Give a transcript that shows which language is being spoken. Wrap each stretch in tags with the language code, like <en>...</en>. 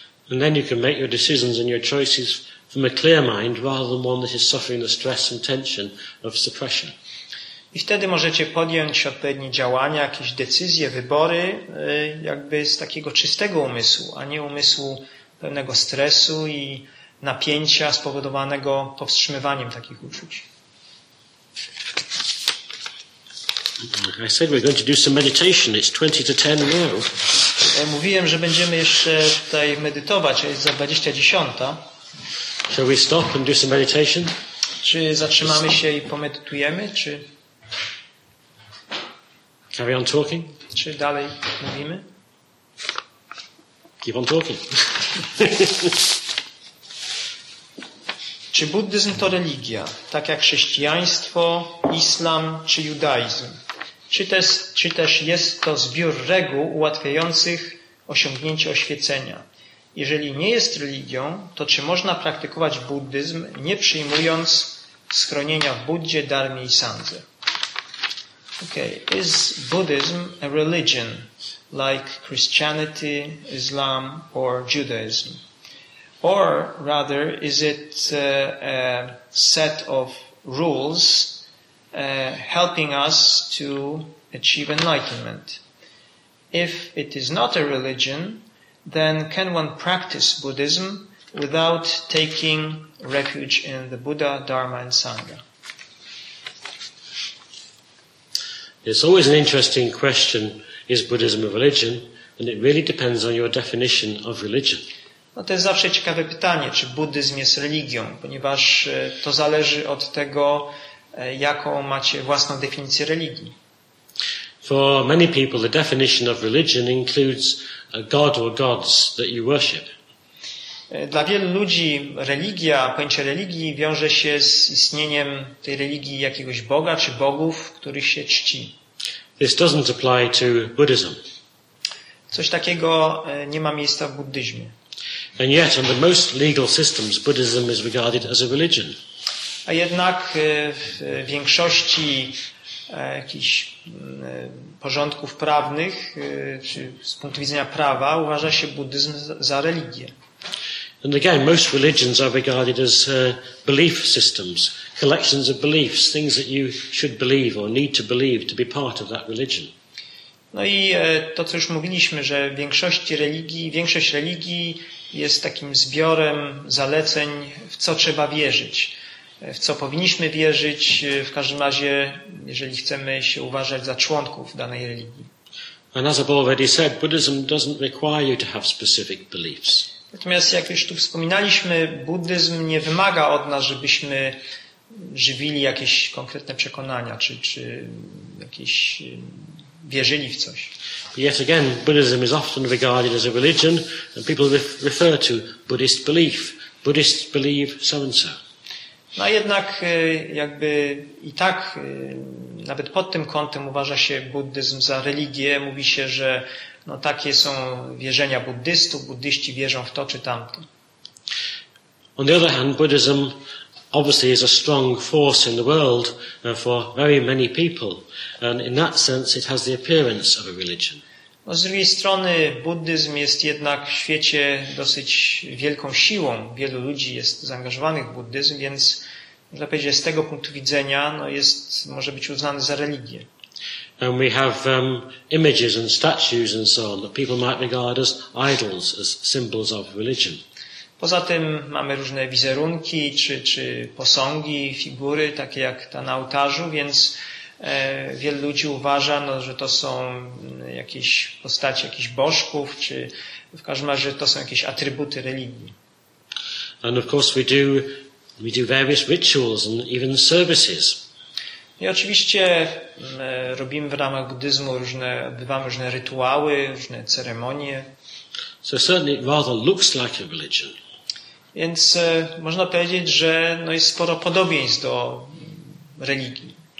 <en>And then you can make your decisions and your choices from a clear mind rather than one that is suffering the stress and tension of suppression.</en> <pl>I wtedy możecie podjąć odpowiednie działania, jakieś decyzje, wybory, jakby z takiego czystego umysłu, a nie umysłu pełnego stresu i napięcia spowodowanego powstrzymywaniem takich uczuć.</pl> <en>I said we're going to do some meditation. It's 20 to 10 now.</en> <pl>Mówiłem, że będziemy jeszcze tutaj medytować, a jest za 20:10.</pl> <en>Shall we stop and do some meditation?</en> <pl>Czy zatrzymamy się i pomedytujemy, czy?</pl> <en>Carry on talking.</en> <pl>Czy dalej mówimy?</pl> <en>Keep on talking.</en> <pl>Czy buddyzm to religia, tak jak chrześcijaństwo, islam czy judaizm? Czy też jest to zbiór reguł ułatwiających osiągnięcie oświecenia? Jeżeli nie jest religią, to czy można praktykować buddyzm, nie przyjmując schronienia w Buddzie, Dharmie i Sandze?</pl> <en>Okay, is Buddhism a religion like Christianity, Islam or Judaism? Or rather, is it a set of rules helping us to achieve enlightenment? If it is not a religion, then can one practice Buddhism without taking refuge in the Buddha, Dharma and Sangha? It's always an interesting question, is Buddhism a religion? And it really depends on your definition of religion.</en> <pl>No to jest zawsze ciekawe pytanie, czy buddyzm jest religią, ponieważ to zależy od tego, jaką macie własną definicję religii.</pl> <en>For many people, the definition of religion includes a god or gods that you worship.</en> <pl>Dla wielu ludzi religia, pojęcie religii wiąże się z istnieniem tej religii jakiegoś Boga czy bogów, który się czci.</pl> <en>This doesn't apply to Buddhism.</en> <pl>Coś takiego nie ma miejsca w buddyzmie.</pl> <en>And yet, under most legal systems, Buddhism is regarded as a religion.</en> <pl>A jednak w większości jakichś porządków prawnych, czy z punktu widzenia prawa, uważa się buddyzm za religię.</pl> <en>And again, most religions are regarded as belief systems, collections of beliefs, things that you should believe or need to believe to be part of that religion.</en> <pl>No i to, co już mówiliśmy, że większość religii jest takim zbiorem zaleceń, w co trzeba wierzyć, w co powinniśmy wierzyć, w każdym razie, jeżeli chcemy się uważać za członków danej religii.</pl> <en>And as I've already said, Buddhism doesn't require you to have specific beliefs.</en> <pl>Natomiast jak już tu wspominaliśmy, buddyzm nie wymaga od nas, żebyśmy żywili jakieś konkretne przekonania, czy jakieś wierzyli w coś.</pl> <en>Yet again, Buddhism is often regarded as a religion, and people refer to Buddhist belief. Buddhists believe so and so.</en> <pl>No jednak jakby i tak nawet pod tym kątem uważa się buddyzm za religię. Mówi się, że no takie są wierzenia buddystów. Buddyści wierzą w to czy tamto.</pl> <en>On the other hand, Buddhism obviously is a strong force in the world for very many people. And in that sense it has the appearance of a religion.</en> <pl>No, z drugiej strony buddyzm jest jednak w świecie dosyć wielką siłą. Wielu ludzi jest zaangażowanych w buddyzm, więc można powiedzieć, że z tego punktu widzenia no, jest, może być uznany za religię.</pl> <en>And we have images and statues and so on that people might regard as idols, as symbols of religion.</en> <pl>Poza tym mamy różne wizerunki czy posągi, figury, takie jak ta na ołtarzu, więc wielu ludzi uważa, no, że to są jakieś postacie jakichś bożków, czy w każdym razie to są jakieś atrybuty religii.</pl> <en>And of course we do various rituals and even services.</en> <pl>I oczywiście robimy w ramach buddyzmu odbywamy różne rytuały, różne ceremonie.</pl> <en>So certainly it rather looks like a religion.</en> <pl>Więc można powiedzieć, że no jest sporo podobieństw do religii.</pl>